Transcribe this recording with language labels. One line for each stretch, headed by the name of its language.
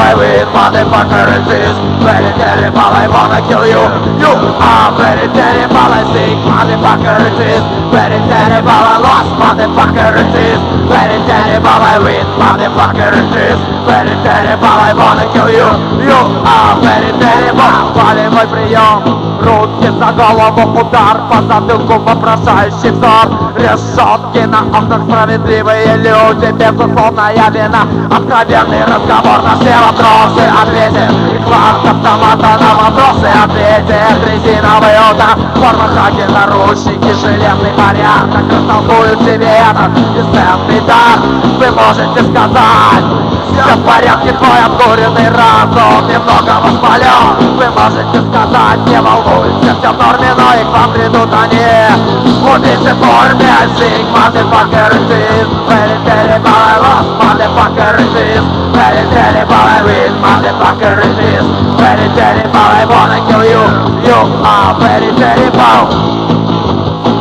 English: I win, motherfucker, it is very terrible. I wanna kill you, you are very terrible. I think, motherfucker, it is very terrible. I lost, motherfucker, it is very terrible. I win, motherfucker, it is very terrible. I wanna kill you, you are very terrible.
Russian: Пали мой прием. Руки за голову, удар по затылку, вопрошающий взор. Решетки на окнах, справедливые люди, безусловная вина. Откровенный разговор на все вопросы ответит. И кварт автомата на вопросы ответит. Резиновый удар, форма хаки, наручники, железный порядок. Растолкуют себе этот бесценный дар. Вы можете сказать, все в порядке, твой обдуренный разум немного воспален. Вы можете сказать, не волнуйся, все в норме, но и к вам придут они. Убийцы в форме,
English: I think, motherfucker, it is very terrible, I lost, motherfucker, it is very terrible, I win, motherfucker, it is very terrible, I wanna kill you, you are very terrible.